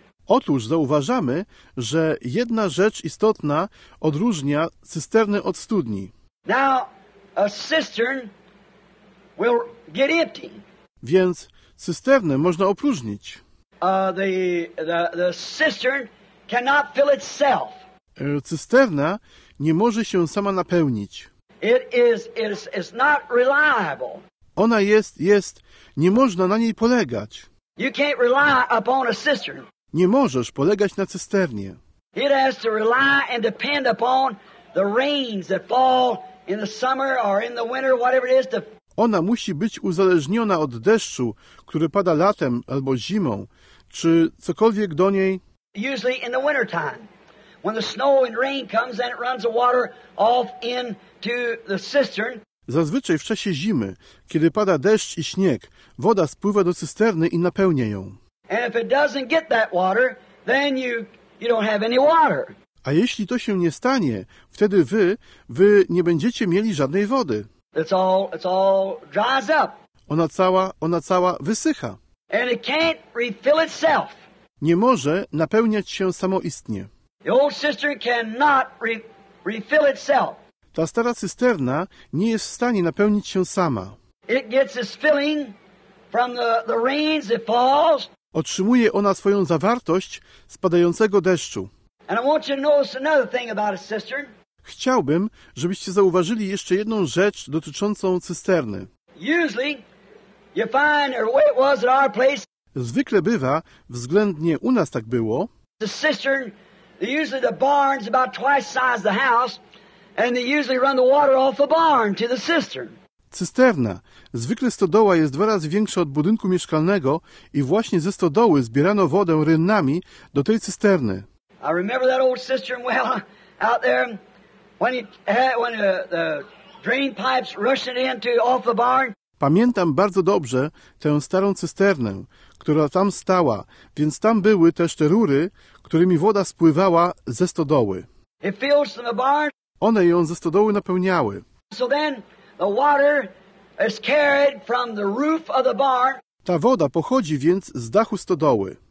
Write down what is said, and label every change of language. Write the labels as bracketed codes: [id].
[pl] Otóż zauważamy, że jedna rzecz istotna odróżnia cysternę od studni. [en] Now, a cistern will get empty. [pl] Więc cysternę można opróżnić. [en] The cistern cannot fill itself. [pl] Cysterna nie może się sama napełnić. [en] It is not reliable. [pl] Ona jest, nie można na niej polegać. [en] You can't rely upon a cistern. [pl] Nie możesz polegać na cysternie. [en] It has to rely and depend upon the rains that fall in the summer or in the winter, whatever it is. To. [pl] ona musi być uzależniona od deszczu, który pada latem albo zimą, czy cokolwiek do niej. [en] Usually in the winter time, when the snow and rain comes, then it runs the water off into the cistern. [pl] Zazwyczaj w czasie zimy, kiedy pada deszcz i śnieg, woda spływa do cysterny i napełnia ją. [en] And if it doesn't get that water, then you don't have any water. [pl] A jeśli to się nie stanie, wtedy wy nie będziecie mieli żadnej wody. [en] It's all dries up. [pl] Ona cała wysycha. [en] And it can't refill itself. [pl] Nie może napełniać się samoistnie. [en] The old cistern cannot refill itself. [pl] Ta stara cysterna nie jest w stanie napełnić się sama. [en] It gets its filling from the rains that falls. [pl] Otrzymuje ona swoją zawartość z padającego deszczu. [en] And I want you to notice another thing about a cistern. [pl] Chciałbym, żebyście zauważyli jeszcze jedną rzecz dotyczącą cysterny. [en] Usually you find, or the way it was at our place, [pl] zwykle bywa, względnie u nas tak było, [en] the cistern, usually the barn's about twice the size of the house, and they usually run the water off the barn to the cistern. [pl] Cysterna. Zwykle stodoła jest dwa razy większa od budynku mieszkalnego i właśnie ze stodoły zbierano wodę rynnami do tej cysterny. [en] I remember that old cistern well out there when the drain pipes rushed it into off the barn. [pl] Pamiętam bardzo dobrze tę starą cysternę, która tam stała, więc tam były też te rury, którymi woda spływała ze stodoły. [en] It fills from the barn. [pl] One ją ze stodoły napełniały. [en] So then the water is carried from the roof of the barn. [pl] Ta woda pochodzi więc z dachu stodoły.